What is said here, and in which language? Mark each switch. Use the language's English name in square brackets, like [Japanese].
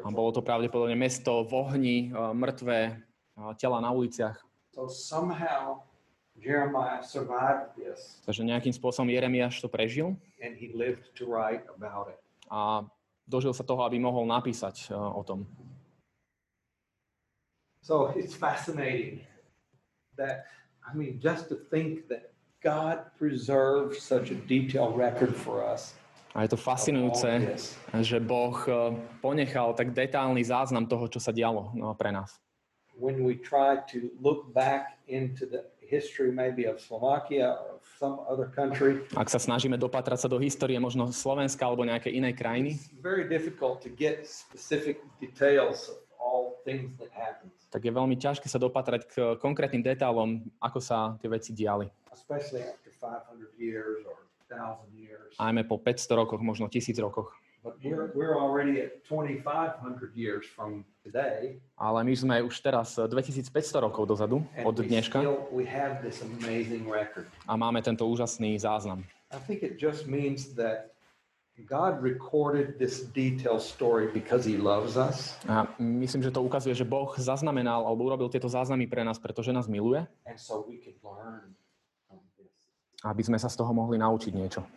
[Slovak] A bolo to pravdepodobne mesto v ohni, mŕtve tela na uliciach. [English] So somehow Jeremiah survived this. [Slovak] Takže nejakým spôsobom Jeremiáš to prežil. [English] And he lived to write about it. [Slovak] A dožil sa toho, aby mohol napísať o tom. [English] So it's fascinating that, I mean, just to think that God preserved such a detailed record for us. [Slovak] A je to fascinujúce, že Boh ponechal tak detailný záznam toho, čo sa dialo pre nás. [English] When we try to look back into the history maybe of Slovakia or some other country. [Slovak] Ak sa snažíme dopatrať sa do histórie možno Slovenska alebo nejakej inej krajiny. [English] It's very difficult to get specific details of all things that happened. [Slovak] Tak je veľmi ťažké sa dopatrať k konkrétnym detailom, ako sa tie veci diali. [English] Especially after 500 years or 1000 [Slovak] years. Ajme po 500 rokoch, možno 1000 rokoch. [English] But we're already at 2500 years from today. [Slovak] Ale my sme už teraz 2500 rokov dozadu od dneška. [English] We have this amazing record. [Slovak] A máme tento úžasný záznam. [English] I think it just means that God recorded this detailed story because he loves us. [Slovak] A myslím, že to ukazuje, že Boh zaznamenal alebo urobil tieto záznamy pre nás, pretože nás miluje. [English] And so we can learn from this. [Slovak] Aby sme sa z toho mohli naučiť niečo.